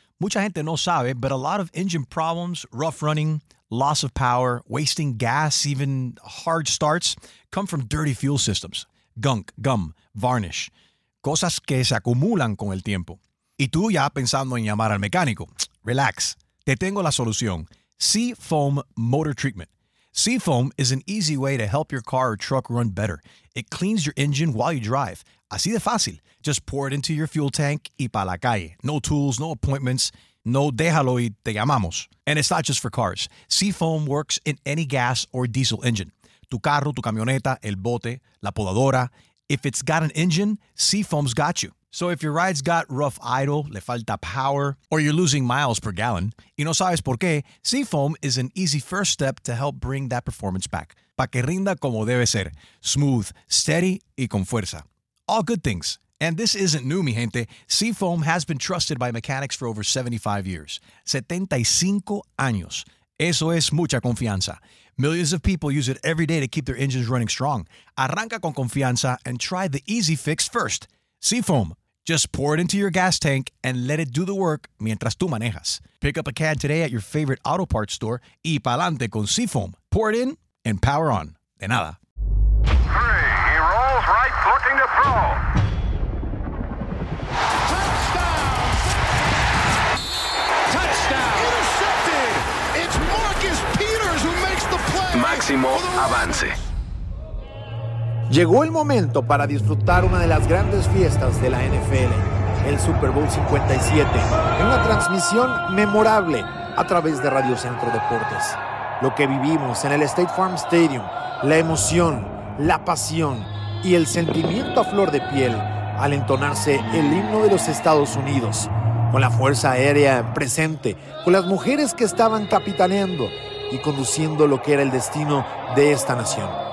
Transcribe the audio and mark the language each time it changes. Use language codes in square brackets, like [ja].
[es] Mucha gente no sabe, [en] but a lot of engine problems, rough running, loss of power, wasting gas, even hard starts, come from dirty fuel systems. Gunk, gum, varnish. [es] Cosas que se acumulan con el tiempo. Y tú ya pensando en llamar al mecánico. Relax. Te tengo la solución. Seafoam Motor Treatment. [en] Seafoam is an easy way to help your car or truck run better. It cleans your engine while you drive. [es] Así de fácil. [en] Just pour it into your fuel tank [es] y pa' la calle. [en] No tools, no appointments, no [es] déjalo y te llamamos. [en] And it's not just for cars. Seafoam works in any gas or diesel engine. [es] Tu carro, tu camioneta, el bote, la podadora. [en] If it's got an engine, Seafoam's got you. So if your ride's got rough idle, [es] le falta [en] power, or you're losing miles per gallon, [es] y no sabes por qué, [en] Seafoam is an easy first step to help bring that performance back. [es] Pa' que rinda como debe ser. [en] Smooth, steady, [es] y con fuerza. [en] All good things. And this isn't new, [es] mi gente. [en] Seafoam has been trusted by mechanics for over 75 years. [es] 75 años. Eso es mucha confianza. [en] Millions of people use it every day to keep their engines running strong. [es] Arranca con confianza [en] and try the easy fix first. Seafoam. Just pour it into your gas tank and let it do the work [es] mientras tú manejas. [en] Pick up a can today at your favorite auto parts store [es] y pa'lante con [en] Seafoam. Pour it in and power on. [es] De nada. [en] Three. He rolls right, looking to throw. Touchdown! Touchdown! Intercepted! It's Marcus Peters who makes the play. [es] Máximo avance. Llegó el momento para disfrutar una de las grandes fiestas de la NFL, el Super Bowl 57, en una transmisión memorable a través de Radio Centro Deportes. Lo que vivimos en el State Farm Stadium, la emoción, la pasión y el sentimiento a flor de piel al entonarse el himno de los Estados Unidos, con la Fuerza Aérea presente, con las mujeres que estaban capitaneando y conduciendo lo que era el destino de esta nación.